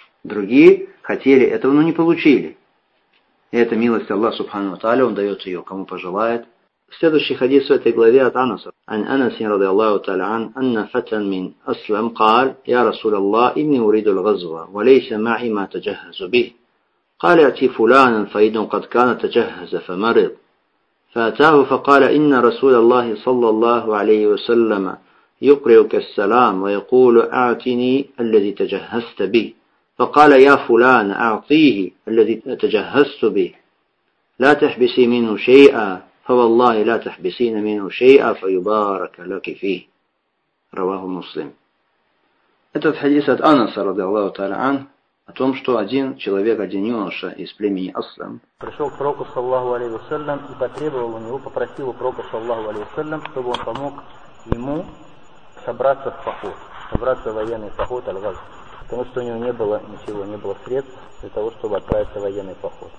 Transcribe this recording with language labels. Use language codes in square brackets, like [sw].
[ru] Другие хотели этого, но не получили. И эта милость Аллаха, субхану ва тааля, он дает ее, кому пожелает. Следующий хадис в этой главе от Анаса. [ar] «Ан Анас ради Аллаху тааля ан, анна фатан мин аслам кал, я Расул Аллах, инни уриду л-газва, ва лейса ма'и ма таджахазу бих. قال اعطي فلانا فإنه قد كان تجهز فمرض فأتاه فقال إن رسول الله صلى الله عليه وسلم يقرئك السلام ويقول أعطني الذي تجهزت به فقال يا فلان أعطيه الذي تجهزت به لا تحبسي منه شيئا فوالله لا تحبسين منه شيئا فيبارك لك فيه رواه مسلم. [ru] Этот хадис от Анаса [ar] رضي الله تعالى عنه [ru] о том, что один человек, один юноша из племени Аслам пришел к пророку саллаху алейхи ва саллям и потребовал у него, попросил у пророка саллаху алейхи ва саллям, чтобы он помог ему собраться в поход, собраться в военный поход аль-газв, потому что у него не было ничего, не было средств для того, чтобы отправиться в военный поход.